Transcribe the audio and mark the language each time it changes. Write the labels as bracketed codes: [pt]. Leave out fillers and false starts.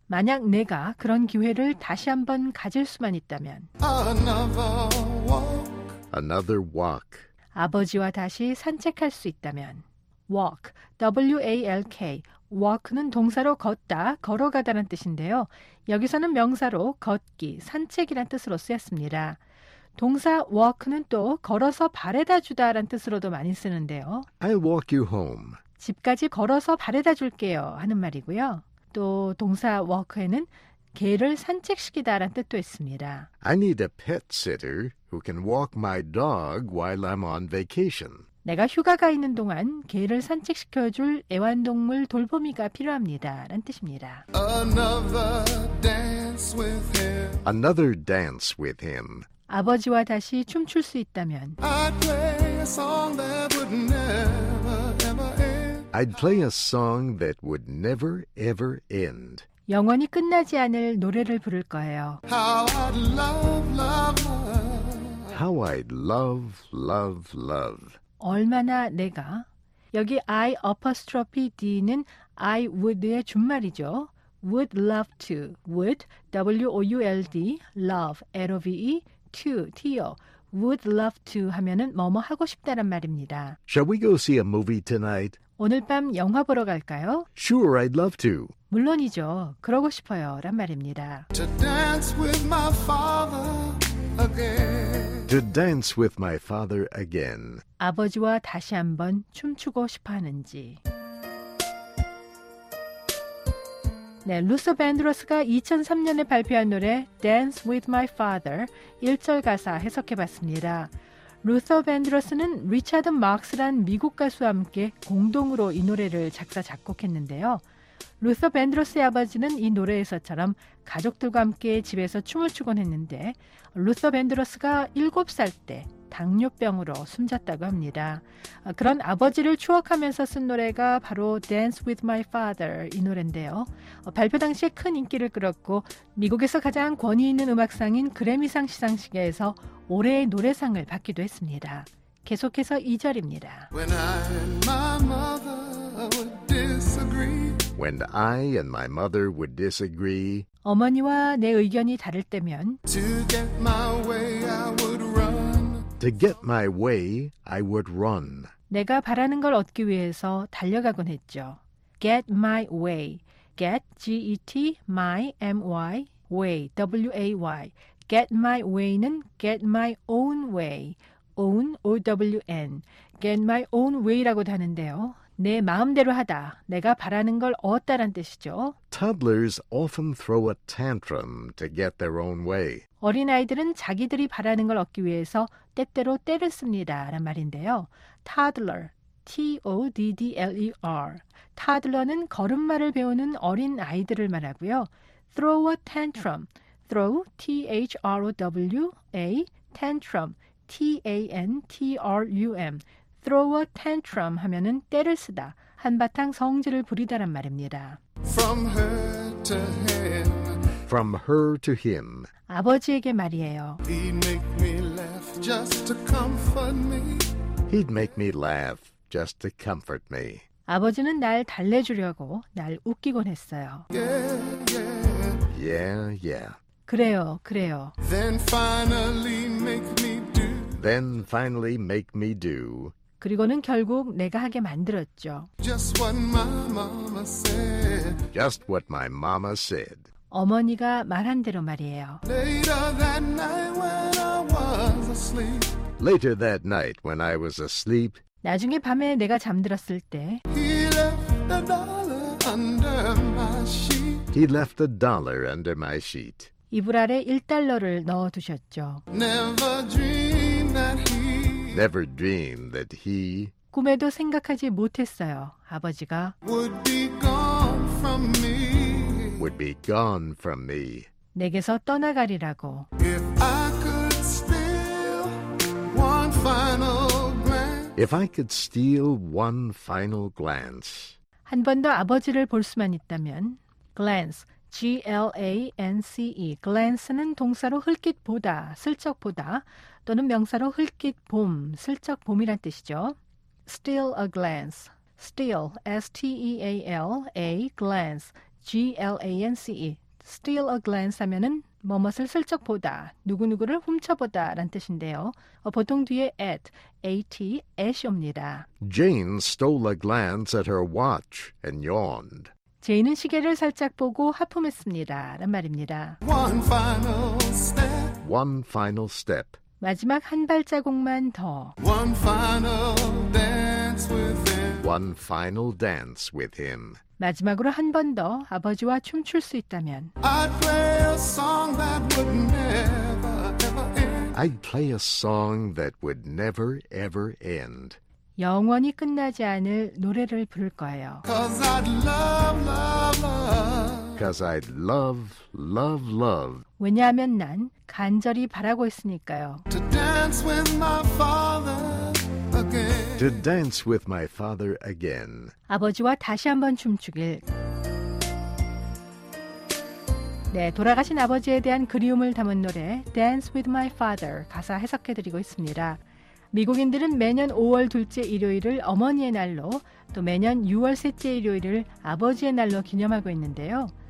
[ko] 만약 내가 그런 기회를 다시 한번 가질 수만 있다면. [en] Another walk. Another walk. [ko] 아버지와 다시 산책할 수 있다면. [en] Walk. W-A-L-K. [ko] Walk는 동사로 걷다, 걸어가다는 뜻인데요. 여기서는 명사로 걷기, 산책이란 뜻으로 쓰였습니다. 동사 walk는 또 걸어서 바래다 주다란 뜻으로도 많이 쓰는데요. [en] I'll walk you home. [ko] 집까지 걸어서 바래다 줄게요 하는 말이고요. 또 동사 walk에는 개를 산책시키다란 뜻도 있습니다. [en] I need a pet sitter who can walk my dog while I'm on vacation. [ko] 내가 휴가가 있는 동안 개를 산책시켜줄 애완동물 돌보미가 필요합니다. 라는 뜻입니다. [en] Another dance with him. Another dance with him. [ko] 아버지와 다시 춤출 수 있다면 [en] I'd play a song that would never ever end. I'd play a song that would never ever end. [ko] 영원히 끝나지 않을 노래를 부를 거예요. [en] How I'd love, love, love. How I'd love, love, love. [ko] 얼마나 내가 여기 [en] I apostrophe D [ko] 는 [en] I would [ko] 의 준말이죠. [en] Would love to. Would, W-O-U-L-D, love, L-O-V-E, to, T-O. Would love to [ko] 하면은 뭐뭐 하고 싶다란 말입니다. [en] Shall we go see a movie tonight? [ko] 오늘 밤 영화 보러 갈까요? [en] Sure, I'd love to. [ko] 물론이죠. 그러고 싶어요. 란 말입니다. To dance with my father again. To dance with my father again. 아버지와 다시 한번 춤추고 싶어 하는지. 네, 루서 밴드로스가 2003년에 발표한 노래 Dance with my father 1절 가사 해석해봤습니다. 루서 밴드로스는 리차드 마크스란 미국 가수와 함께 공동으로 이 노래를 작사 작곡했는데요. 루서 밴드로스의 아버지는 이 노래에서처럼 가족들과 함께 집에서 춤을 추곤 했는데 루서 밴드로스가 7살 때 당뇨병으로 숨졌다고 합니다. 그런 아버지를 추억하면서 쓴 노래가 바로 Dance with my father 이 노래인데요. 발표 당시에 큰 인기를 끌었고 미국에서 가장 권위 있는 음악상인 그래미상 시상식에서 올해의 노래상을 받기도 했습니다. 계속해서 2절입니다. [en] When I and my mother would disagree. When I and my mother would disagree. [ko] 어머니와 내 의견이 다를 때면 [en] To get my way I would run. To get my way, I would run. [ko] 내가 바라는 걸 얻기 위해서 달려가곤 했죠. [en] Get my way. Get, G-E-T, my, M-Y, way, W-A-Y. Get my way는 get my own way. Own, O-W-N. Get my own way 라고도 하는데요. [ko] 내 마음대로 하다, 내가 바라는 걸 얻다란 뜻이죠. [en] Toddlers often throw a tantrum to get their own way. [ko] 어린아이들은 자기들이 바라는 걸 얻기 위해서 때때로 때를 씁니다. 라는 말인데요. [en] Toddler, T-O-D-D-L-E-R. [ko] Toddler는 걸음마를 배우는 어린아이들을 말하고요. [en] Throw a tantrum, throw, T-H-R-O-W-A, tantrum, [ko] T-A-N-T-R-U-M, [en] throw a tantrum [ko] 하면은 때를 쓰다, 한바탕 성질을 부리다란 말입니다. [en] From her to him. From her to him. [ko] 아버지에게 말이에요. [en] He'd make me laugh just to comfort me. He'd make me laugh just to comfort me. [ko] 아버지는 날 달래주려고 날 웃기곤 했어요. [en] Yeah, yeah. Yeah, yeah. [ko] 그래요, 그래요. [en] Then finally make me do. Then finally make me do. [ko] 그리고는 결국 내가 하게 만들었죠. [en] Just what my mama said. Just what my mama said. [ko] 어머니가 말한 대로 말이에요. [en] Later that night when I was asleep. Later that night when I was asleep. [ko] 나중에 밤에 내가 잠들었을 때. [en] He left a dollar under my sheet. He left a dollar under my sheet. [ko] 이불 아래 1달러를 넣어 두셨죠. [en] Never dreamed that he. Never dreamed that he. [ko] 꿈에도 생각하지 못했어요. 아버지가 [en] would be gone from me. Would be gone from me. [ko] 내게서 떠나가리라고. [en] If I could steal one final glance. If I could steal one final glance. [ko] 한 번 더 아버지를 볼 수만 있다면. [en] Glance, G-L-A-N-C-E. [ko] Glance는 동사로 흘낏 보다, 슬쩍 보다, 또는 명사로 흘낏 봄, 슬쩍 봄이란 뜻이죠. [en] Steal a glance. Steal, S-T-E-A-L, a glance, G-L-A-N-C-E. Steal a glance [ko] 하면은 뭐뭇을 슬쩍 보다, 누구누구를 훔쳐보다 라는 뜻인데요. 보통 뒤에 at, A-T, at이 옵니다. [en] Jane stole a glance at her watch and yawned. [ko] 제인은 시계를 살짝 보고 하품했습니다. 라는 말입니다. [en] One final step. One final step. [ko] 마지막 한 발자국만 더. [en] One final dance with him. One final dance with him. [ko] 마지막으로 한 번 더 아버지와 춤출 수 있다면. [en] I'd play a song that would never ever end. I'd play a song that would never ever end. [ko] 영원히 끝나지 않을 노래를 부를 거예요. [en] Cause I'd love, love, love. Cause I'd love, love, love. [ko] 왜냐하면 난 간절히 바라고 있으니까요. [en] To dance with my father again. To dance with my father again. [ko] 아버지와 다시 한번 춤추길. 네, 돌아가신 아버지에 대한 그리움을 담은 노래 Dance with my father 가사 해석해드리고 있습니다. 미국인들은 매년 5월 둘째 일요일을 어머니의 날로 또 매년 6월 셋째 일요일을 아버지의 날로 기념하고 있는데요.